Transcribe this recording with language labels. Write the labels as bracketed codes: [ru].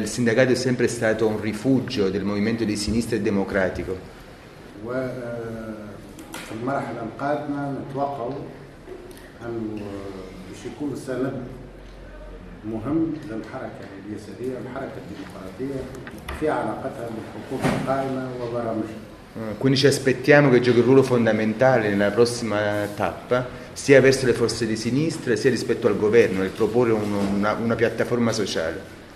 [it] Il sindacato è sempre stato un rifugio del movimento di sinistra democratico. [ar] وفي المرحله القادمه نتوقع انه باش يكون سند مهم للحركة اليسارية والحركة الديمقراطية في علاقتها بالحكومة القائمة وبرامجها. [it] Quindi ci aspettiamo che giochi un ruolo fondamentale nella prossima tappa, sia verso le forze di sinistra sia rispetto al governo, nel proporre una piattaforma sociale.